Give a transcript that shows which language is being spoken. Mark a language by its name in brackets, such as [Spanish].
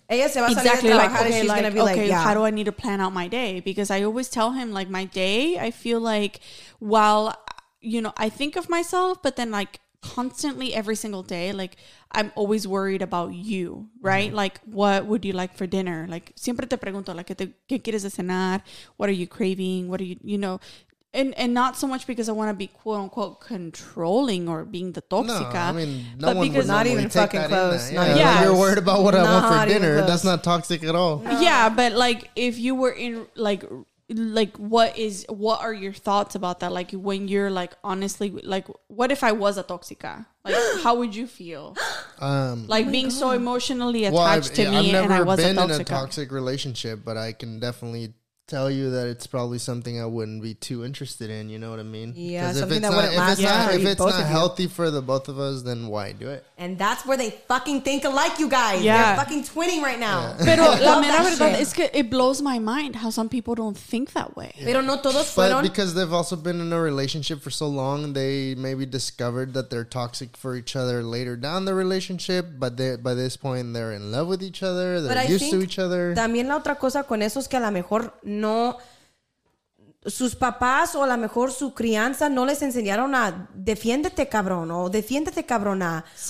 [English] Exactly. Like, okay, how do I need to plan out my day? Because I always tell him like my day, I feel like while, you know, I think of myself, but then like constantly every single day, like I'm always worried about you, right? Mm-hmm. Like, what would you like for dinner? [Spanish] Like, siempre te pregunto, like, ¿qué quieres de cenar? [English] What are you craving? What are you, you know? And not so much because I want to be quote unquote controlling or being the toxica. No, I mean, no but one because not even fucking close. Yeah. You're worried about what I want for dinner. That's not toxic at all. No. Yeah, but like, if you were in, like what are your thoughts about that? Like when you're like honestly like what if I was a toxica? Like how would you feel? Like being so emotionally attached to me and I was a toxica. I've never been in a toxic relationship, but I can definitely tell you that it's probably something I wouldn't be too interested in. You know what I mean? Yeah, something that wouldn't last. If it's not healthy for the both of us, then why do it? And that's where they fucking think alike, you guys. Yeah. They're fucking twinning right now. [Spanish] Pero la mera verdad es que [English] it blows my mind how some people don't think that way. [Spanish] Pero no todos fueron. [English] But because they've also been in a relationship for so long, they maybe discovered that they're toxic for each other later down the relationship, but they, by this point, they're in love with each other, they're used to each other. [Spanish] También la otra cosa con eso es que a lo mejor no, sus papás o a lo mejor su crianza no les enseñaron a defiéndete, cabrón, o defiéndete, cabrona.